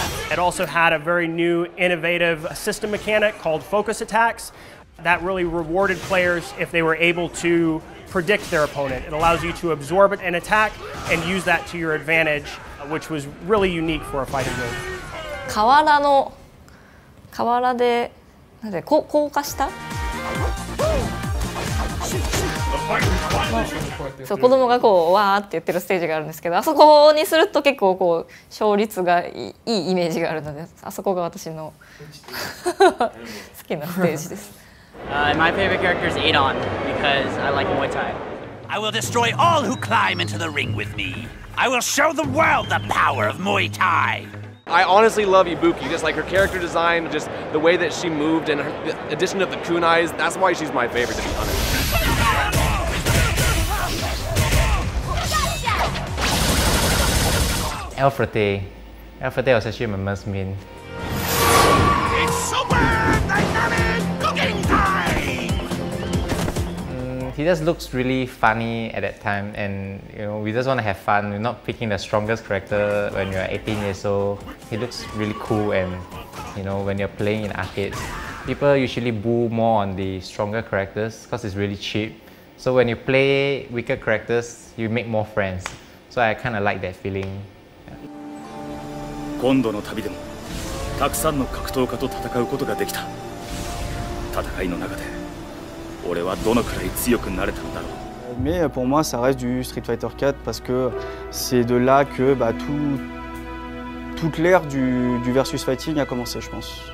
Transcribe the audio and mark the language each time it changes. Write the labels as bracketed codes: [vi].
[en] It also had a very new, innovative system mechanic called focus attacks that really rewarded players if they were able to predict their opponent. It allows you to absorb an attack and use that to your advantage, which was really unique for a fighting game. [ja] 河原で、なんで、硬化した？そう、子供がこうわーって言ってるステージがあるんですけど、あそこにすると結構こう勝率がいいイメージがあるので、あそこが私の好きなステージです。 [en] My favorite character is Adon because I like Muay Thai. I will destroy all who climb into the ring with me. I will show the world the power of Muay Thai. I honestly love Ibuki. Just like her character design, just the way that she moved, and her, the addition of the kunais. That's why she's my favorite, to be honest. Alfredo was a human must mean. It's super dynamic cooking time! He just looks really funny at that time, and you know, we just want to have fun. We're not picking the strongest character when you're 18 years old. He looks really cool, and you know, when you're playing in arcades, people usually boo more on the stronger characters because it's really cheap. So when you play weaker characters, you make more friends. So I kind of like that feeling. [ja] 今度の旅でもたくさんの格闘家と戦うことができた。戦いの中で俺はどのくらい強くなれたのだろう。 [fr] Mais pour moi, ça reste du Street Fighter 4 parce que c'est de là que bah toute l'ère du versus fighting a commencé, je pense.